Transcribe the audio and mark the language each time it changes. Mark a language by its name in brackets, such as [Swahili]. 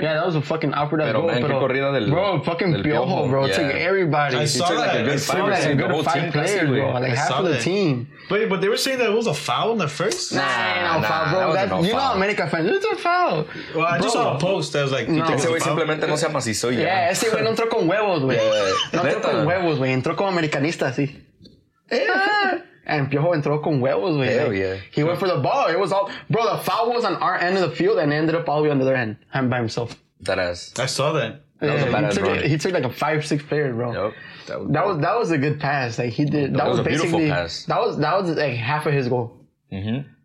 [English] Yeah, that was a fucking awkward ass goal. [Spanish] Pero corrida del, [English] bro, fucking [Spanish] del [English] Piojo, bro. Yeah. Took everybody. I saw that, a good five players, bro, like half of the team. But they were saying that it was a foul in the first? Nah, no foul, bro. That was no foul. America fans, it's a foul. Well, I just saw a post that was like, no. [Spanish] Ese güey simplemente no se amacizó ya. Yeah, ese güey no entró con huevos, güey. No entró con huevos, güey. Entró como americanista, sí. And Piojo entró con huevos, güey. [English] Hell yeah. He went for the ball. It was all... Bro, the foul was on our end of the field and ended up all the way on the other end. I'm by himself. That ass. I saw that. That was a bad run. He took like a 5-6 player, bro. Yep. That was a good pass. Like, he did... That was a beautiful pass. That was like half of his goal. Mm-hmm.